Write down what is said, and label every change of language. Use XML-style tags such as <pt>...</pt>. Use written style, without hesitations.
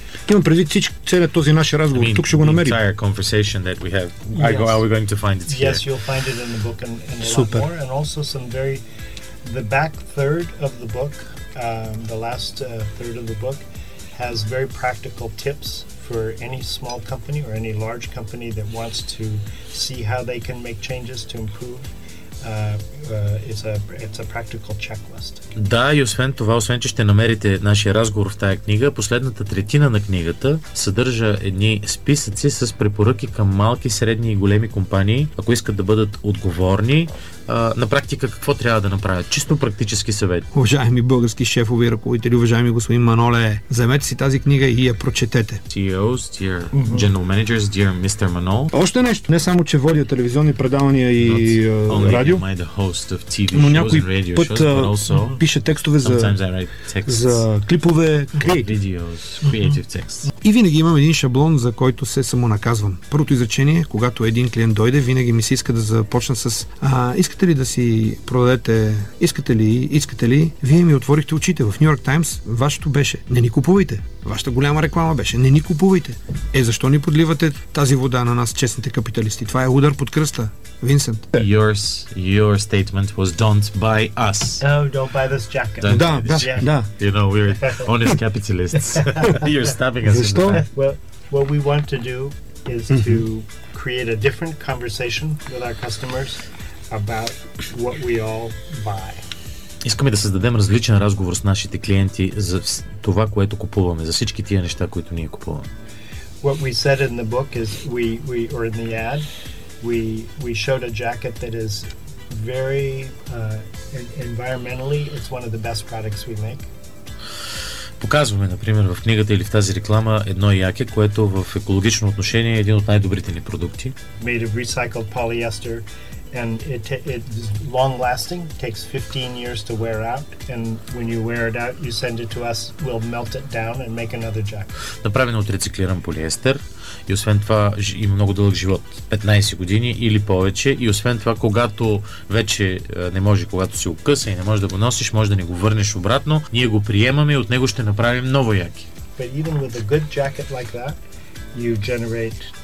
<bg>Имам предвид целият този наш разговор. Тук ще го намерим.</bg> <en>The entire conversation that we have, are we going to find it here? Yes, you'll find it in the book and a lot more. And also some very, the back third of the book, the last third of the book, has very practical tips for any small company or any large company that wants to see how they can make changes to improve. It's a practical checklist.</en> <bg>Да, и освен това, освен че ще намерите нашия разговор в тая книга, последната третина на книгата съдържа едни списъци с препоръки към малки, средни и големи компании, ако искат да бъдат отговорни. На практика какво трябва да направят? Чисто практически съвет. Уважаеми български шефове и ръководители, уважаеми господин Маноле, вземете си тази книга и я прочетете.</bg> <en>CEOs, dear general managers, dear Mr. Manol.</en> <bg>Още нещо, не само че водя телевизионни предавания и радио, но някой път пише текстове за клипове,</bg> <en>creative texts.</en> <bg>И винаги имам един шаблон, за който се самонаказвам. Първото изречение, когато един клиент дойде, винаги ми се иска да започна с искате ли да си продадете, искате ли, вие ми отворихте очите. В Нью Йорк Таймс вашето беше: не ни купувайте. Вашата голяма реклама беше: не ни купувайте. Е, защо ни подливате тази вода на нас, честните капиталисти? Това е удар под кръста, Винсент.</bg> <en>Your statement was don't buy us. No, don't buy this jacket. Don't,</en> <bg>да, да, jacket. Да.</bg> <en>You know, we're honest capitalists. You're stabbing us.</en> <bg>Защо?</bg> <en>What we want to do is to create a different conversation with our customers about what we all buy.</en> <bg>Искаме да създадем различен разговор с нашите клиенти за това, което купуваме, за всички тия неща, които ние купуваме.</bg> <en>What we said in the book is we or in the ad, we showed a jacket that is very environmentally, it's one of the best products we make.</en> <bg>Показваме, например, в книгата или в тази реклама едно яке, което в екологично отношение е един от най-добрите ни продукти.</bg> <en>Made of recycled polyester. And it is long lasting, takes 15 years to wear out, and when you wear it out, you send it to us, we'll melt it down and make another jacket.</en> <bg>Направено от рециклиран полиестер и освен това има много дълъг живот, 15 години или повече, и освен това, когато вече не може, когато се укъса и не може да го носиш, може да не го върнеш обратно, ние го приемаме и от него ще направим ново яке.</bg> <en>But even with a good jacket like that, you generate</en>